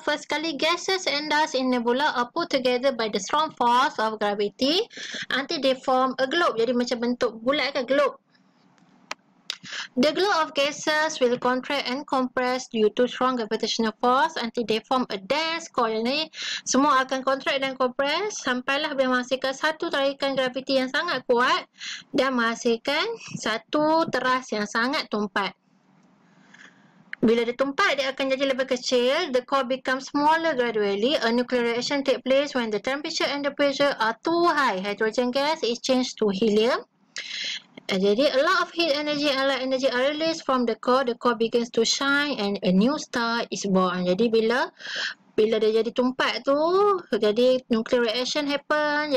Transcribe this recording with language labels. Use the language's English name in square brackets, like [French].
[English] First [Malay] kali [English] gases and dust in nebula are put together by the strong force of gravity until they form a globe. [Malay] Jadi macam bentuk bulat kan, [English] globe. The globe of gases will contract and compress due to strong gravitational force until they form a dense core. [Malay] Ini semua akan contract dan compress sampailah menghasilkan satu tarikan graviti yang sangat kuat dan menghasilkan satu teras yang sangat tumpat. Bila dia tumpat, dia akan jadi lebih kecil. [English] The core becomes smaller gradually. A nuclear reaction takes place when the temperature and the pressure are too high. Hydrogen gas is changed to helium. [Malay] Jadi, [English] a lot of heat energy and light energy are released from the core. The core begins to shine and a new star is born. [Malay] Jadi, bila dia jadi tumpat tu, jadi [English] nuclear reaction happen.